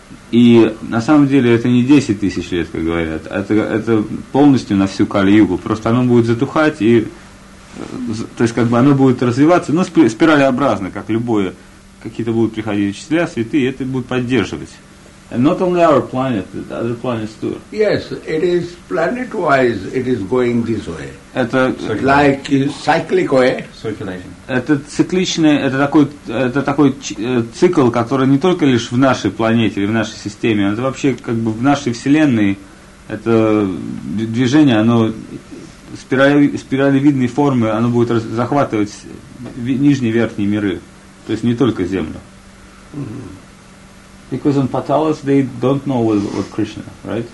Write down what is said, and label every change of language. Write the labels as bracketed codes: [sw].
[ru] И на самом деле это не 10 тысяч лет, как говорят, это полностью на всю Кали-Югу. Просто оно будет затухать, и, то есть как бы оно будет развиваться, но спиралеобразно, как любое. Какие-то будут приходить учителя, святые, и это будет поддерживать. [en] And not only our planet, the other planets too. Yes, it is planet-wise, it is going this way. [ru] Это [en] like cyclic way. [ru] Это цикличный, это такой цикл, который не только лишь в нашей планете или в нашей системе, это вообще как бы в нашей вселенной. Это движение, оно спиралевидной формы, оно будет захватывать нижние и верхние миры, то есть не только Землю. [en] Because on Patalas they don't know what Krishna, right?